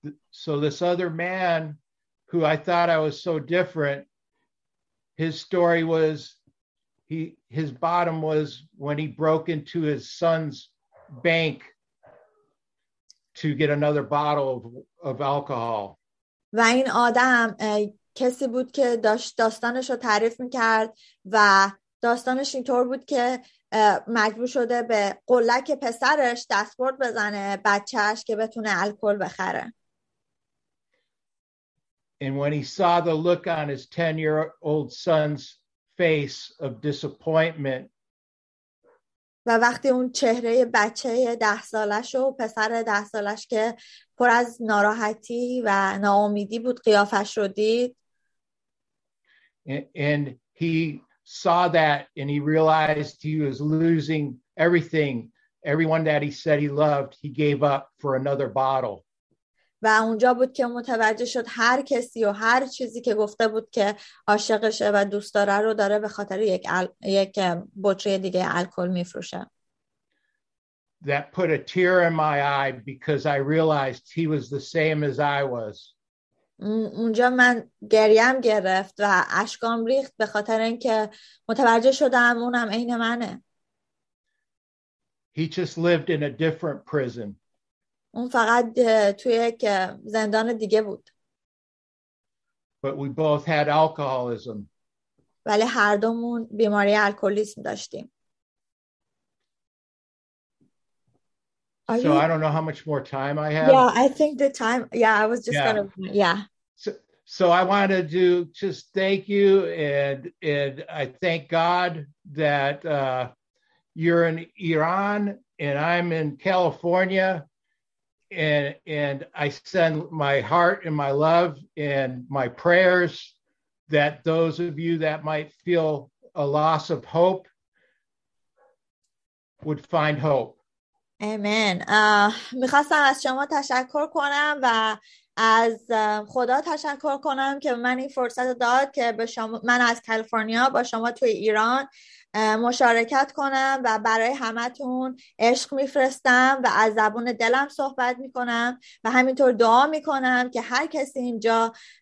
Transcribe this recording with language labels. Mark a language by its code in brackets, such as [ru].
[en] So this other man who I thought I was so different, his story was his bottom was when he broke into his son's bank to get another bottle of alcohol. [fa] و این آدم کسی بود که داشت داستانش رو تعریف میکرد و داستانش اینطور بود که مجبور شده به قلک پسرش دستبرد بزنه بچهش که بتونه الکل بخره. [en] And when he saw the look on his 10-year-old son's face of disappointment. [fa] و وقتی اون چهره بچه 10 سالش و پسر 10 سالش که پر از ناراحتی و ناامیدی بود قیافش رو دید. [en] And he saw that and he realized he was losing everything. Everyone that he said he loved, he gave up for another bottle. [fa] و اونجا بود که متوجه شد هر کسی و هر چیزی که گفته بود که عاشقشه و دوست داره رو داره به خاطر یک بطری دیگه الکل میفروشه. [en] That put a tear in my eye because I realized he was the same as I was. [fa] اونجا من گریم گرفت و اشکام ریخت به خاطر اینکه متوجه شدم اونم عین منه. [en] He just lived in a different prison. [fa] اون فقط توی یک زندان دیگه بود. [en] But we both had alcoholism. [fa] ولی هر دومون بیماری الکلیسم داشتیم. [en] So I don't know how much more time I have. Yeah, I think the time. Yeah, I was just gonna. Yeah. So I wanted to just thank you and I thank God that you're in Iran and I'm in California. And I send my heart and my love and my prayers that those of you that might feel a loss of hope would find hope. Amen. [fa] میخواستم از شما تشکر کنم و از خدا تشکر کنم که من این فرصت داد که به شما، من از کالیفرنیا با شما توی ایران مشارکت کنم و برای همتون عشق میفرستم و از زبون دلم صحبت میکنم و همینطور دعا میکنم که هر کسی اینجا